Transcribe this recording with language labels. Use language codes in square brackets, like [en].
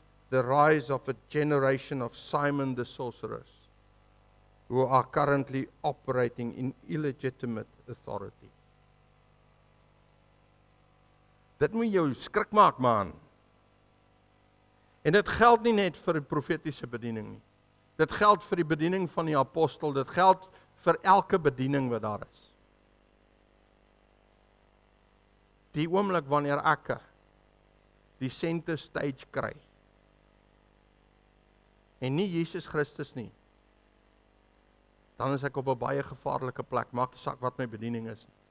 [en] The rise of a generation of Simon the sorcerers, who are currently operating in illegitimate authority. [af] Dit moet jou skrik maak, man. En dit geld nie net vir die profetiese bediening nie. Dit geld vir die bediening van die apostel, dit geld vir elke bediening wat daar is. Die oomblik wanneer ek die center stage kry, en nie Jesus Christus nie, dan is ek op 'n baie gevaarlike plek, maak nie saak wat my bediening is.